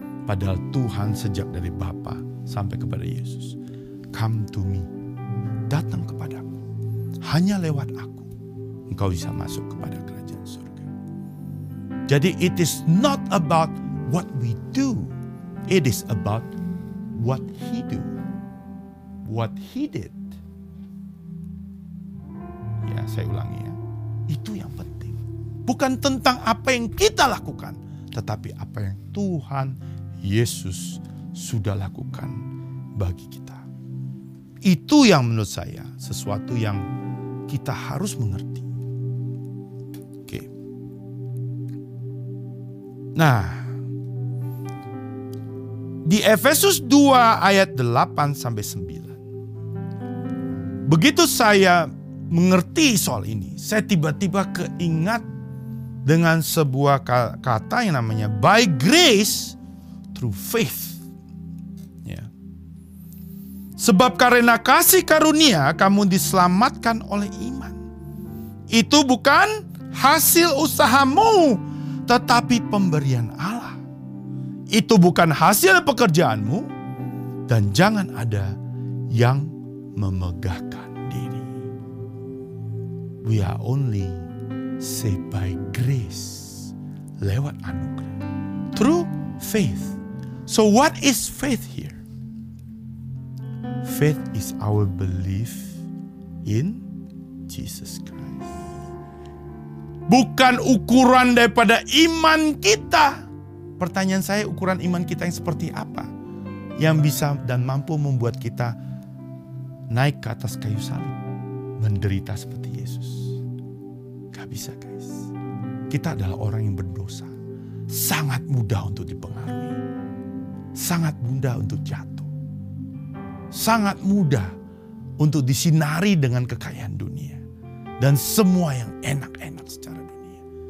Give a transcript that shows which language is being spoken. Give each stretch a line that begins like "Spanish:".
Indonesian: Padahal Tuhan sejak dari Bapa sampai kepada Yesus,
English: come to me,
Indonesian: datang kepadaku. Hanya lewat aku engkau bisa masuk kepada kerajaan surga.
English: Jadi it is not about what we do, it is about what he do, what he did.
Indonesian: Ya, saya ulangi ya, itu yang penting. Bukan tentang apa yang kita lakukan, tetapi apa yang Tuhan Yesus sudah lakukan bagi kita. Itu yang menurut saya sesuatu yang kita harus mengerti. Oke. Nah, di Efesus 2 ayat 8-9, begitu saya mengerti soal ini, saya tiba-tiba keingat dengan sebuah kata yang namanya by grace through faith. Ya. Sebab karena kasih karunia kamu diselamatkan oleh iman. Itu bukan hasil usahamu, tetapi pemberian Allah. Itu bukan hasil pekerjaanmu, dan jangan ada yang memegahkan.
English: We are only saved by grace,
Indonesian: lewat anugerah,
English: through faith. So what is faith here? Faith is our belief in Jesus Christ.
Indonesian: Bukan ukuran daripada iman kita. Pertanyaan saya, ukuran iman kita yang seperti apa? Yang bisa dan mampu membuat kita naik ke atas kayu salib, menderita seperti Yesus. Bisa guys, kita adalah orang yang berdosa, sangat mudah untuk dipengaruhi, sangat mudah untuk jatuh, sangat mudah untuk disinari dengan kekayaan dunia dan semua yang enak-enak secara dunia.